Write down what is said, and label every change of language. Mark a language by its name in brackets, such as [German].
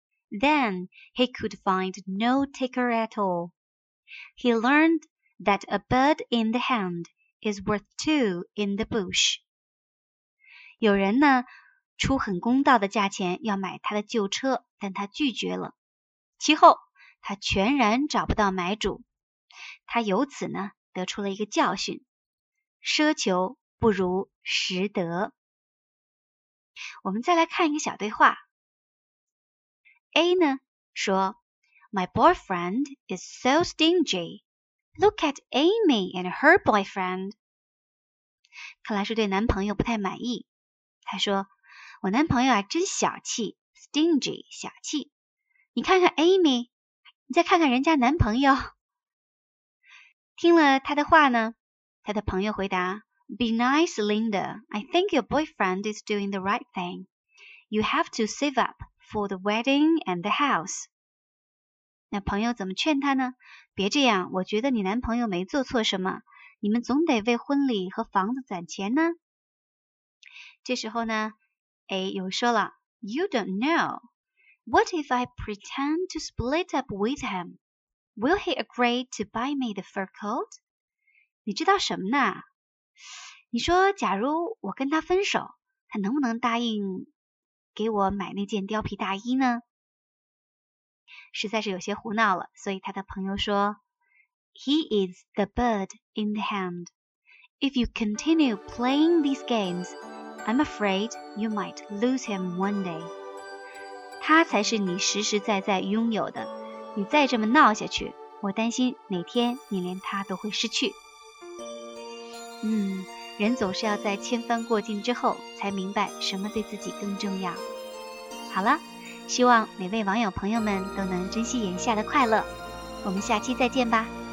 [English] Then he could find no taker at all. He learned that a bird in the hand is worth two in the bush. [Chinese] 有人呢，出很公道的价钱要买他的旧车，但他拒绝了。其后，他全然找不到买主。他由此呢，得出了一个教训。奢求不如实得。我们再来看一个小对话。 [English] A [Chinese] 呢，说 [English] My boyfriend is so stingy. Look at Amy and her boyfriend. [Chinese] 看来是对男朋友不太满意。他说，我男朋友啊，真小气 ,stingy, 小气。你看看 Amy, 你再看看人家男朋友。听了他的话呢，他的朋友回答 [English] Be nice, Linda. I think your boyfriend is doing the right thing. You have to save up for the wedding and the house. [Chinese] 那朋友怎么劝他呢？别这样，我觉得你男朋友没做错什么，你们总得为婚礼和房子攒钱呢。这时候呢， A 又说了 [English] You don't know. What if I pretend to split up with him? Will he agree to buy me the fur coat? [Chinese] 你知道什么呢？你说假如我跟他分手，他能不能答应给我买那件貂皮大衣呢？实在是有些胡闹了，所以他的朋友说 [English] He is the bird in the hand. If you continue playing these games, I'm afraid you might lose him one day. [Chinese] 他才是你实实在在拥有的，你再这么闹下去，我担心哪天你连他都会失去。人总是要在千帆过尽之后才明白什么对自己更重要。好了，希望每位网友朋友们都能珍惜眼下的快乐。我们下期再见吧。